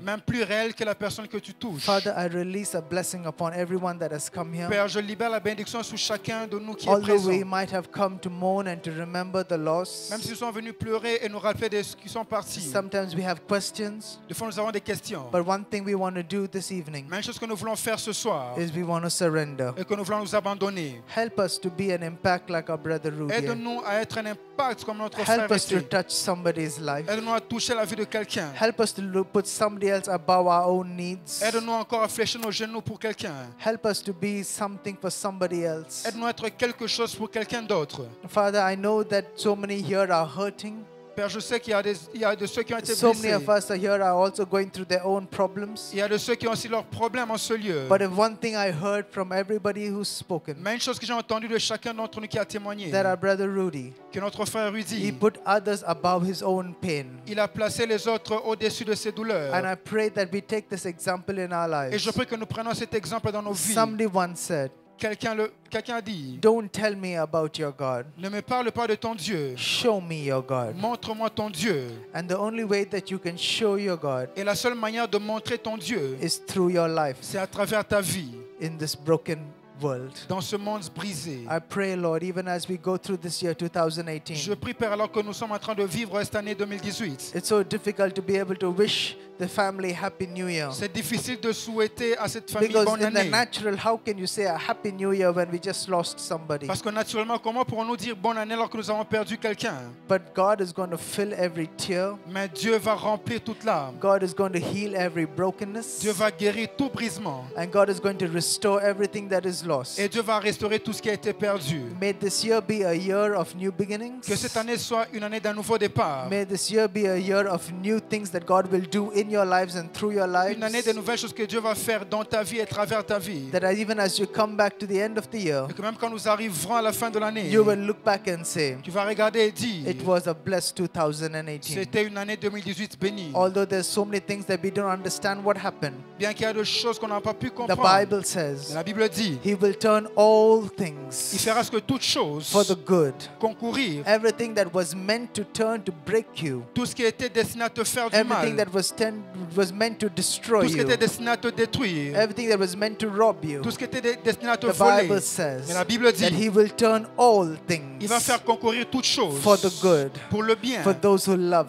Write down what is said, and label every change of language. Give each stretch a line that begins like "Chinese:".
French: Même plus réel que la personne que tu touches.
English: Father, I release a blessing upon everyone that has come here.
French: Père, je libère la bénédiction sur chacun de nous qui
English: Although
French: est présent.
English: Although we might have come to mourn and to remember the loss.
French: Même si nous sommes venus pleurer et nous rappeler de ce qui sont partis.
English: Sometimes we have questions.
French: Des fois nous avons des questions.
English: But one thing we want to do this evening is we want to surrender.
French: Et que nous voulons nous abandonner.
English: Help us to be an impact like our brother Rudy.
French: Aide-nous à être un impact comme notre frère.
English: Help us to touch somebody's life.
French: Aide-nous à toucher la vie de quelqu'un.
English: Help us to put somebody else above our own needs.
French: Aide-nous encore à flécher nos genoux pour quelqu'un.
English: Help us to be something for somebody else.
French: Aide-nous à être quelque chose pour quelqu'un d'autre.
English: Father, I know that so many here are hurting.
French: Père, je sais qu'il y a de ceux qui ont été blessés.
English: So many of us here are also going through their own problems.
French: Il y a de ceux qui ont aussi leurs problèmes en ce lieu.
English: But if one thing I heard from everybody who's spoken.
French: Mais une chose que j'ai entendue de chacun d'entre nous qui a témoigné.
English: That our brother Rudy.
French: Que notre frère Rudy.
English: He put others above his own pain.
French: Il a placé les autres au-dessus de ses douleurs.
English: And I pray that we take this example in our lives.
French: Et je prie que nous prenions cet exemple dans nos vies.
English: Somebody once said.
French: Quelqu'un a dit,
English: don't tell me about your God.
French: Ne me parle pas de ton Dieu.
English: Show me your God.
French: Montre-moi ton Dieu.
English: And the only way that you can show your God.
French: Et la seule manière de montrer ton Dieu.
English: Is through your life.
French: C'est à travers ta vie.
English: In this broken world.
French: Dans ce monde brisé.
English: I pray, Lord, even as we go through this year 2018.
French: Je prie, Père, alors que nous sommes en train de vivre cette année 2018.
English: It's so difficult to be able to wish the family Happy New Year.
French: C'est difficile de souhaiter à cette famille
English: Because
French: bonne
English: in
French: année.
English: The natural, how can you say a Happy New Year when we just lost somebody?
French: Parce que naturellement, comment pourrons-nous dire bonne année alors que nous avons perdu quelqu'un?
English: But God is going to fill every tear.
French: Mais Dieu va remplir toute l'âme.
English: God is going to heal every brokenness.
French: Dieu va guérir tout brisement.
English: And God is going to restore everything that is lost.
French: Et Dieu va restaurer tout ce qui a été perdu.
English: May this year be a year of new beginnings.
French: Que cette année soit une année d'un nouveau départ.
English: May this year be a year of new things that God will do in in your lives and through your lives.
French: Une année de nouvelles choses que Dieu va faire dans ta vie et travers ta vie.
English: That even as you come back to the end of the year.
French: Et que même quand nous arriverons à la fin de l'année.
English: You will look back and say.
French: Tu vas regarder et dire.
English: It was a blessed 2018.
French: C'était une année 2018 bénie.
English: Although there's so many things that we don't understand what happened.
French: Bien qu'il y a des choses qu'on n'a pas pu comprendre.
English: The Bible says.
French: La Bible dit.
English: He will turn all things.
French: Il fera ce que toutes choses.
English: For the good.
French: Concourir.
English: Everything that was meant to turn to break you.
French: Tout ce qui était destiné à te faire du
English: everything
French: mal.
English: Everything that was meant to destroy you.
French: Tout ce qui était destiné à te détruire.
English: Everything that was meant to rob you.
French: Tout ce qui était destiné à te
English: the
French: voler.
English: The Bible says.
French: Mais la Bible dit.
English: That he will turn all things.
French: Il va faire concourir toutes choses.
English: For the good.
French: Pour le bien.
English: For those who love